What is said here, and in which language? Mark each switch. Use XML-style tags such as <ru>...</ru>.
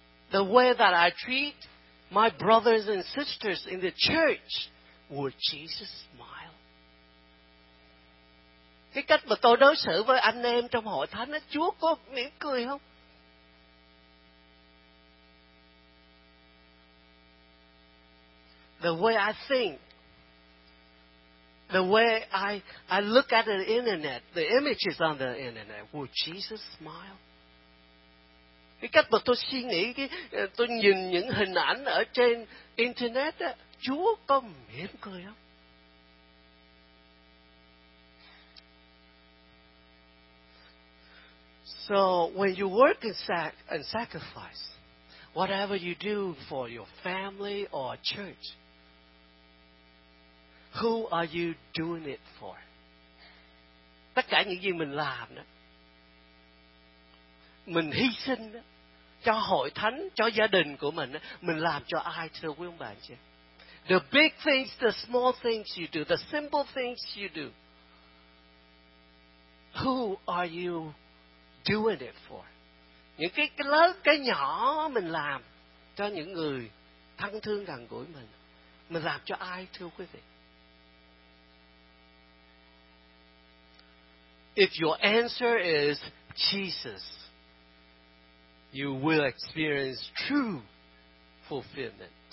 <en>The way that I treat my brothers and sisters in the church, would Jesus smile?</en> <vi>Cái cách mà tôi đối xử với anh em trong hội thánh, Chúa có mỉm cười không?</vi> <en>The way I think, the way I look at the internet, the images on the internet, would Jesus smile?</en> <vi>Cái cách mà tôi suy nghĩ, tôi nhìn những hình ảnh ở trên internet, Chúa có mỉm cười không?</vi> <en>So when you work and sacrifice, whatever you do for your family or church, who are you doing it for?</en> <vi>Tất cả những gì mình làm đó, mình hy sinh đó, cho hội thánh, cho gia đình của mình, mình làm cho ai, thưa quý ông bà anh chị?</vi> <en>The big things, the small things you do, the simple things you do, who are you doing it for?</en> <vi>Những cái lớn, cái nhỏ mình làm cho những người thân thương gần gũi mình, mình làm cho ai, thưa quý vị?</vi> <en>If your answer is Jesus, you will experience true fulfillment.</en>